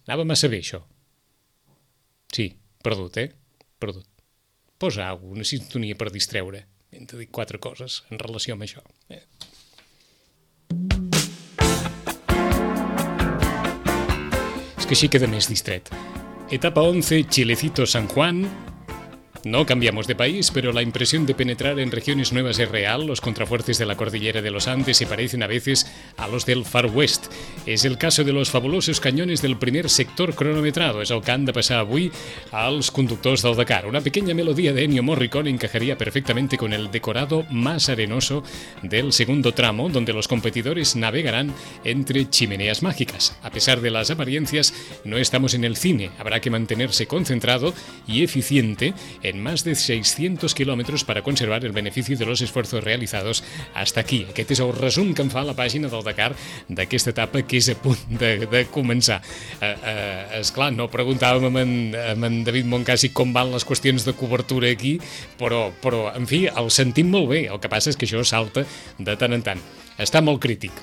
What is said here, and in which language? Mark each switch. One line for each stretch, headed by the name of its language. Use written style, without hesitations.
Catalan: Anava massa bé, això. Sí, perdut, eh? Perdut. Posa alguna sintonia per distreure. Hem de dir quatre coses en relació amb això. És que així queda més distret.
Spanish: Etapa 11, Chilecito San Juan. No cambiamos de país, pero la impresión de penetrar en regiones nuevas es real. Los contrafuertes de la cordillera de los Andes se parecen a veces a los del Far West. Es el caso de los fabulosos cañones del primer sector cronometrado.
Catalan: Es el que han de pasar avui als conductors del Dakar.
Spanish: Una pequeña melodía de Ennio Morricone encajaría perfectamente con el decorado más arenoso del segundo tramo, donde los competidores navegarán entre chimeneas mágicas. A pesar de las apariencias, no estamos en el cine. Habrá que mantenerse concentrado y eficiente en más de 600
Catalan: kilómetres per conservar el benefici
Spanish: de los esfuerzos realizados hasta aquí.
Catalan: Aquest és el resum que em fa la pàgina del Dakar d'aquesta etapa que és a punt de començar. Esclar, no preguntàvem amb en David Moncassi com van les qüestions de cobertura aquí, però, en fi, el sentim molt bé. El que passa és que això salta de tant en tant. Està molt crític.